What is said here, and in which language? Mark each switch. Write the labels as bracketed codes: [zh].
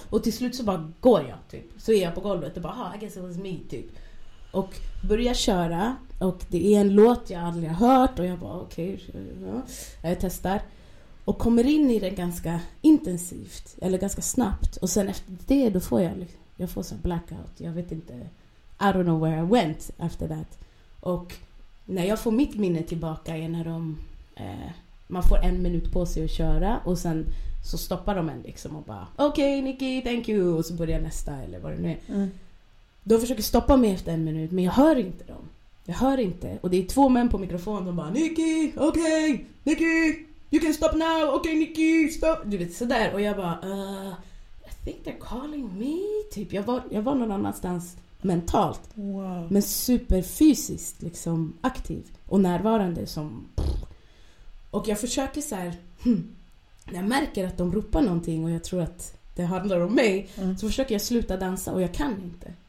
[sv] Och till slut så bara, går jag, typ. Så är jag på golvet och bara, [en] I guess it was me, [sv] typ. Och börjar köra. Och det är en låt jag aldrig har hört. Och jag bara, okej, okay, ja. Jag testar. och kommer in i det ganska intensivt eller ganska snabbt, och sen efter det då får jag får så blackout. Jag vet inte, [en] I don't know where I went after that. [sv] Och när jag får mitt minne tillbaka är när de man får en minut på sig att köra och sen så stoppar de en liksom och bara okej, Nikki, [en] thank you, [sv] och så börjar nästa eller vad det nu är. De försöker stoppa mig efter en minut, men jag hör inte dem. Jag hör inte. Och det är två män på mikrofon, de bara Nikki, okej, Nikki, [en] you can stop now, [sv] okej, Nikki, stop. Du vet, sådär. Och jag bara [en] I think they're calling me, typ. [sv] Jag var någon annanstans mentalt. Wow. Men superfysiskt liksom aktiv och närvarande som Och jag försöker så här, när jag märker att de ropar någonting och jag tror att det handlar om mig, så försöker jag sluta dansa och jag kan inte.